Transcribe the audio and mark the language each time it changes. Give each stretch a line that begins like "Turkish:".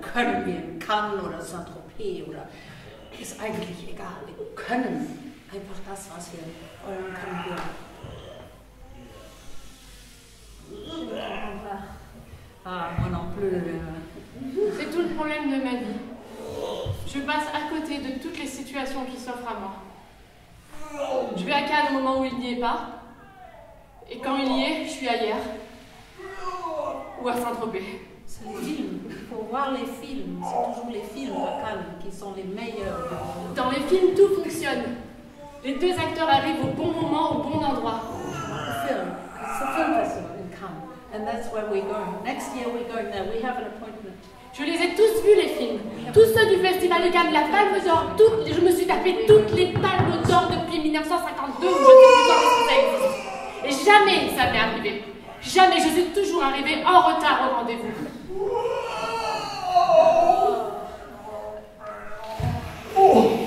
German: Können wir in Cannes oder Saint-Tropez oder ist eigentlich egal. Wir können einfach das, was wir wollen, können wir.
French: Ah, mon ampleur. C'est tout le problème de ma vie. Je passe à côté de toutes les situations qui s'offrent à moi. Je vais à Cannes au moment où il n'y est pas. Et quand il y est, je suis ailleurs. Ou à Saint-Tropez. C'est les films. Pour voir les films, c'est toujours les films à Cannes qui sont les meilleurs. Dans les films, tout fonctionne. Les deux acteurs arrivent au bon moment, au bon endroit. Le film, c'est film à Cannes.
English: And that's where we're going. Next year we're going there. We have an appointment.
French: Je les ai tous vus les films. Tous ceux du Festival de Cannes, la Palme d'Or, toutes, je me suis tapé toutes les Palmes d'Or depuis 1952 où je suis encore sur scène. Et jamais ça m'est arrivé. Jamais, je suis toujours arrivée en retard au rendez-vous.